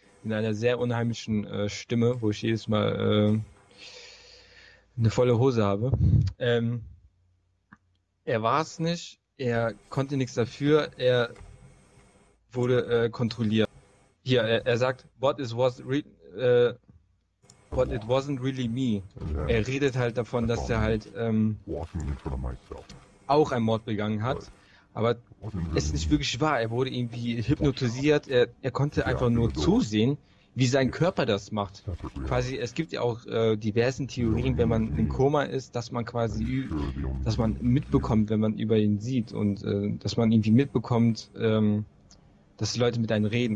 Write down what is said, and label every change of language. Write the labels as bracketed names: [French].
[German] in einer sehr unheimlichen Stimme, wo ich jedes Mal eine volle Hose habe. Er war es nicht, er konnte nichts dafür, er wurde kontrolliert. Hier, er sagt, [English] but it wasn't really me. [German] Er redet halt davon, dass er halt auch einen Mord begangen hat. Aber es ist nicht wirklich wahr. Er wurde irgendwie hypnotisiert. Er konnte einfach nur zusehen, wie sein Körper das macht. Quasi, es gibt ja auch diversen Theorien, wenn man im Koma ist, dass man quasi, dass man mitbekommt, wenn man über ihn sieht und dass man irgendwie mitbekommt, dass die Leute mit einem reden.